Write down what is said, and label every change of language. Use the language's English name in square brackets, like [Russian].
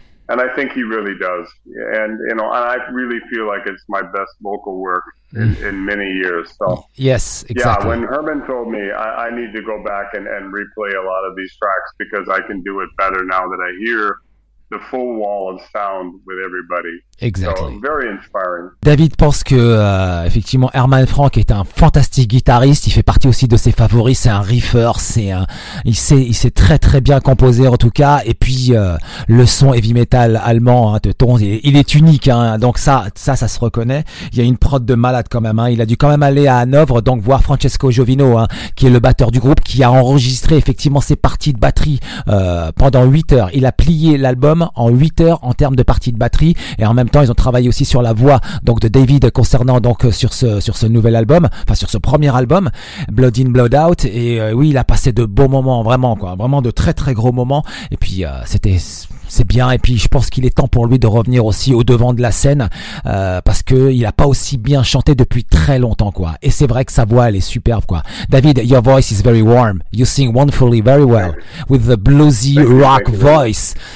[English] And I think he really does. And, you know, and I really feel like it's my best vocal work in many years. So, yes, exactly. Yeah, when Herman told me, I need to go back and replay a lot of these tracks because I can do it better now that I hear the full wall of sound with everybody. Exactly. So, very inspiring. [French] David pense que effectivement Herman Frank est un fantastique guitariste, il fait partie aussi de ses favoris, c'est un riffeur, c'est un il sait très très bien composer en tout cas, et puis le son heavy metal allemand hein, de ton il est unique hein. Donc ça se reconnaît. Il y a une prod de malade quand même hein. Il a dû quand même aller à Hanovre donc voir Francesco Giovino hein, qui est le batteur du groupe, qui a enregistré effectivement ses parties de batterie pendant 8 heures. Il a plié l'album en 8 heures en termes de parties de batterie. Et en même temps, ils ont travaillé aussi sur la voix donc de David concernant donc sur ce nouvel album, enfin sur ce premier album, Blood In Blood Out. Et oui, il a passé de beaux moments, vraiment quoi, vraiment de très très gros moments. Et puis c'est bien. Et puis je pense qu'il est temps pour lui de revenir aussi au devant de la scène parce que il a pas aussi bien chanté depuis très longtemps quoi. Et c'est vrai que sa voix elle est superbe quoi. [English] David, your voice is very warm. You sing wonderfully, very well, with the bluesy rock voice.